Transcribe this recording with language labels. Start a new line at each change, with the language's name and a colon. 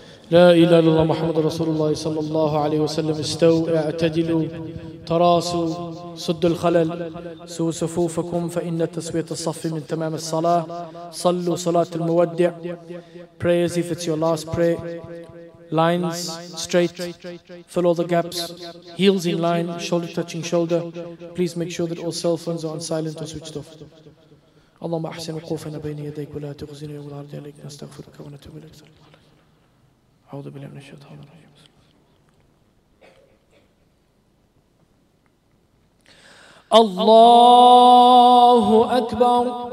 Arabic: لا إله إلا الله محمد رسول الله صلى الله عليه وسلم. استو اعتدلوا تراصوا سد الخلل سو صفوفكم فإن تسوية الصف من تمام الصلاة. صلوا صلاة المودع.
English: Pray as if it's your last prayer. Lines straight. Fill all the gaps. Heels in line. Shoulder touching shoulder. Please make sure that all cell phones are on silent or switched off.
Arabic: اللهم أحسن وقوفنا بين يديك ولا تخزينا يوم العرض عليك. نستغفرك ونتوب إليك. أعوذ بالله من الشيطان الرجيم. الله أكبر.